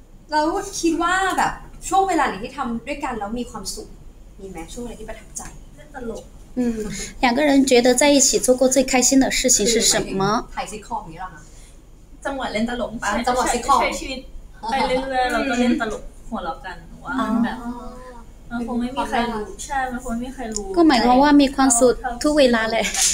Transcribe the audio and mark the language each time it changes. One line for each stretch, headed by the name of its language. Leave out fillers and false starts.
Thai: เราคิดว่าแบบช่วงเวลาที่ทำด้วยกันแล้วมีความสุขมีไหมช่วงเวลาที่ประทับใจ ตลก
Chinese: 两个人觉得在一起做过最开心的事情是什么？
Thai: ถ่ายซีคอมนี่หรอ จังหวะเล่นตลก ป่ะจังหวะซีคอม ใช้ชีวิตไปเรื่อยๆเราก็เล่นตลกหัวเราะกันว่าแบบมันคงไม่มีใครรู้ใช่มันคงไม่มีใครรู้ก็หมายความว่ามีความสุขทุกเวลาเลย